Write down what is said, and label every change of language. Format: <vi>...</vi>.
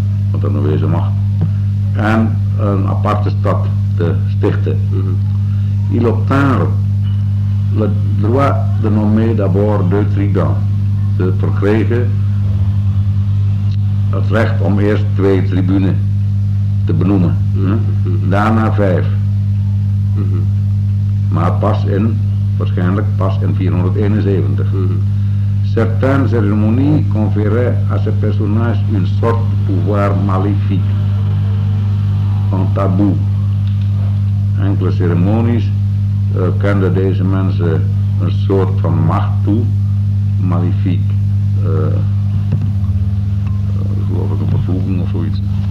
<nl>Wat er nog wezen mag, en een aparte stad te stichten.</nl> <fr>Il obtint le droit de nommer d'abord deux tribuns.</fr> <nl>Ze verkregen het recht om eerst twee tribunen te benoemen, daarna vijf. Maar pas in, waarschijnlijk pas in 471.</nl> <fr>Certaines cérémonies conféraient à ces personnages une sorte de pouvoir maléfique, un tabou.</fr> <nl>Enkele cérémonies kenden deze mensen een soort van macht toe, maléfique. Geloof ik een vervloeking of zoiets.</nl>